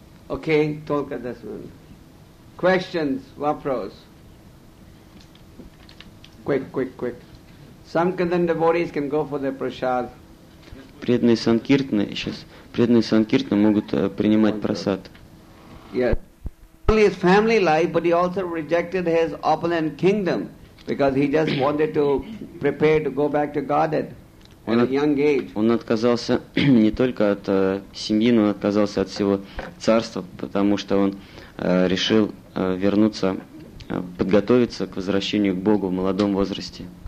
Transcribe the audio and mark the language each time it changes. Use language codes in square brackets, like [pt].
[en] Okay, talk at this one. Questions, [ru] вопрос. [en] Quick. Sankirtan devotees can go for their prasad. [ru] Преданные санкиртны сейчас, преданные санкиртны могут принимать прасад. [en] Yes. Not only his family life, but he also rejected his opulent kingdom because he just wanted to prepare to go back to Godhead at a young age. [ru] Он отказался не только от семьи, но отказался от всего царства, потому что он решил вернуться, подготовиться к возвращению к Богу в молодом возрасте.